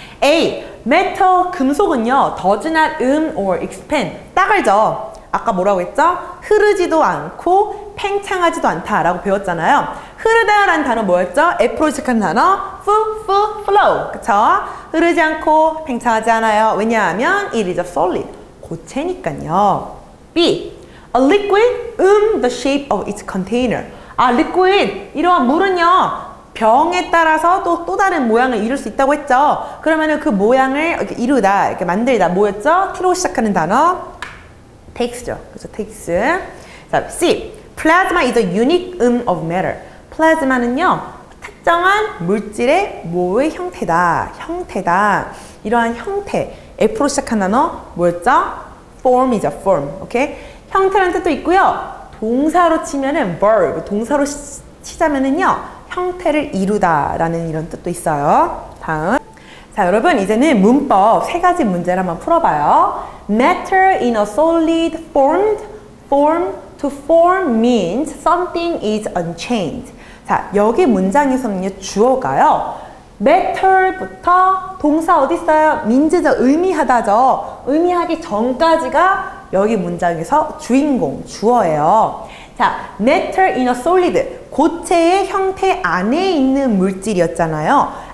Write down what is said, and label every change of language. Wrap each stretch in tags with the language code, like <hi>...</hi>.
<ko>A. metal 금속은요.</ko> <en>does not or expand.</en> <ko>딱알죠? 아까 뭐라고 했죠? 흐르지도 않고 팽창하지도 않다라고 배웠잖아요. 흐르다라는 단어 뭐였죠? F로 시작하는 단어 flow. 그렇죠? 흐르지 않고 팽창하지 않아요. 왜냐하면</ko> <en>it is a solid.</en> <ko>고체니까요. B.</ko> <en>a liquid the shape of its container.</en> <ko>아, liquid 이러한 물은요. 병에 따라서 또 다른 모양을 이룰 수 있다고 했죠. 그러면은 그 모양을 이렇게 이루다. 이렇게 만들다. 뭐였죠? T로 시작하는 단어 takes죠. 그래서 takes. 자, C.</ko> <en>Plasma is a unique of matter.</en> <ko>플라즈마는요, 특정한 물질의 모의 형태다. 이러한 형태. F로 시작한 단어, 뭐였죠? form이죠, form. 오케이? 형태라는 뜻도 있고요. 동사로 치면은 verb. 동사로 치자면은요, 형태를 이루다 라는 이런 뜻도 있어요. 다음. 자, 여러분 이제는 문법 세 가지 문제를 한번 풀어봐요.</ko> <en>Matter in a solid formed form to form means something is unchanged.</en> <ko>자, 여기 문장에서는 주어가요. matter부터 동사 어디 있어요? 민지죠. 의미하다죠. 의미하기 전까지가 여기 문장에서 주인공, 주어예요. 자,</ko> <en>matter in a solid,</en> <ko>고체의 형태 안에 있는 물질이었잖아요.</ko>